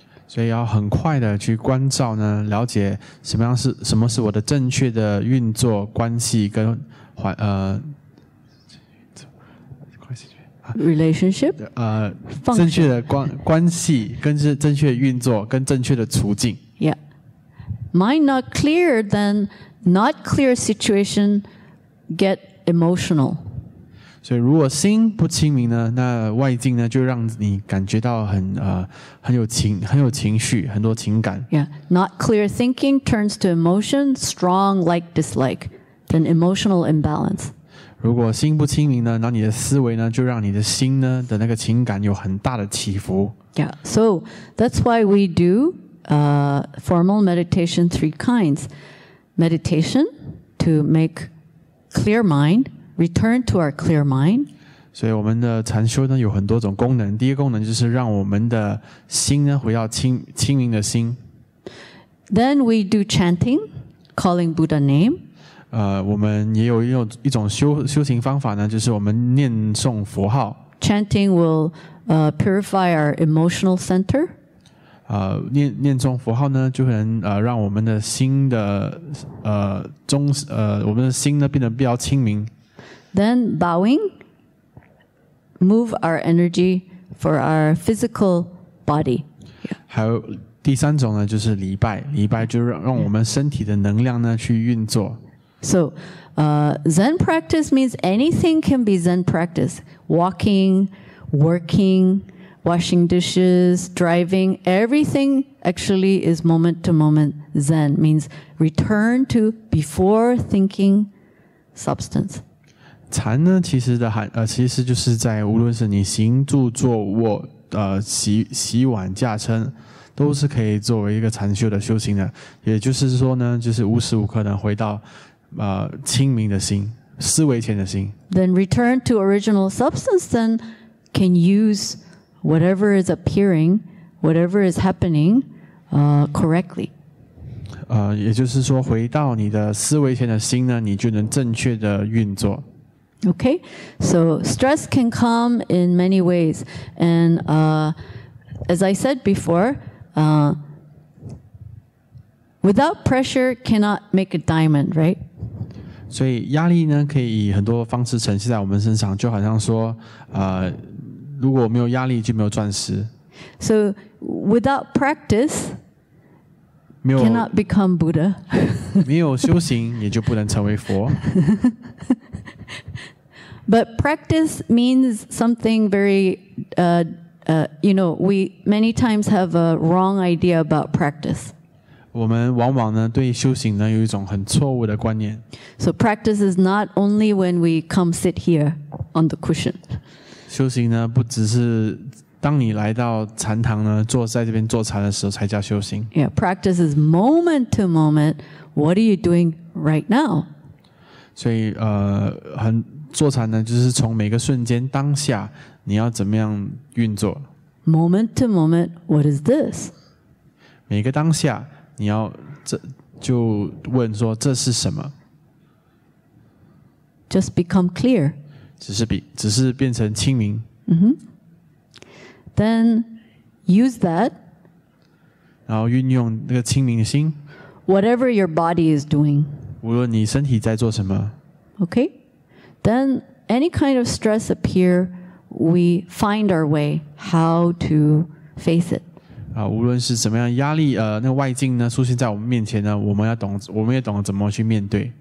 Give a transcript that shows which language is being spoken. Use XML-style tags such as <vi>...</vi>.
<zh>所以要很快的去关照呢，了解什么样是什么是我的正确的运作关系跟环</zh> <en>relationship</en> <zh>正确的关系跟是正确运作跟正确的处境。</zh> <en>Yeah, mind not clear, then not clear situation get emotional.</en> <zh>所以如果心不清明呢，那外境呢就让你感觉到很有情绪，很多情感。</zh> <en>Yeah, not clear thinking turns to emotion, strong like dislike, then emotional imbalance.</en> <zh>如果心不清明呢，那你的思维呢，就让你的心呢的那个情感有很大的起伏。</zh> <en>Yeah, so that's why we do formal meditation three kinds: meditation to make clear mind, return to our clear mind.</en> <zh>所以我们的禅修呢有很多种功能。第一个功能就是让我们的心呢回到清明的心。</zh> <en>Then we do chanting, calling Buddha name.</en> <zh>我们也有一种 修行方法呢，就是我们念诵佛号。</zh> <en>Chanting will purify our emotional center.</en> <zh>念诵佛号呢，就能让我们的心的我们的心呢变得比较清明。</zh> <en>Then bowing, move our energy for our physical body.</en> <zh>还有第三种呢，就是礼拜。礼拜就让我们身体的能量呢去运作。</zh> <en>So, Zen practice means anything can be Zen practice. Walking, working, washing dishes, driving, everything actually is moment to moment Zen. Means return to before thinking substance.</en> <zh>禅呢，其实就是在无论是你行住坐卧，洗碗架撑。都是可以作为一个禅修的修行的。也就是说呢，就是无时无刻能回到清明的心，思维前的心。</zh> <en>Then return to original substance, then can use whatever is appearing, whatever is happening, correctly.</en> <zh>也就是说，回到你的思维前的心呢，你就能正确的运作。</zh> <en>Okay, so stress can come in many ways, and as I said before, without pressure cannot make a diamond, right?</en> <zh>所以压力呢，可以以很多方式呈现在我们身上，就好像说，如果没有压力，就没有钻石。</zh> <en>So without practice, cannot become Buddha.</en> <zh>没有修行，也就不能成为佛。</zh> <en>But practice means something very, you know, we many times have a wrong idea about practice.</en> <zh>我们往往呢对修行呢有一种很错误的观念。</zh> <en>So practice is not only when we come sit here on the cushion.</en> <zh>修行呢不只是当你来到禅堂呢坐在这边坐禅的时候才叫修行。</zh> <en>Yeah, practice is moment to moment. What are you doing right now?</en> <zh>所以坐禅呢就是从每个瞬间当下你要怎么样运作。</zh> <en>Moment to moment, what is this?</en> <zh>每个当下。你要这就问说这是什么</zh> <en>？Just become clear.</en> <zh>只是变成清明。</zh> <en>Mm-hmm. Then use that.</en> <zh>然后运用那个清明的心。</zh> <en>Whatever your body is doing.</en> <zh>无论你身体在做什么。</zh> <en>Okay. Then any kind of stress appear, we find our way how to face it.</en> <zh>无论是怎么样压力那个外境呢出现在我们面前呢我们也懂怎么去面对。</zh>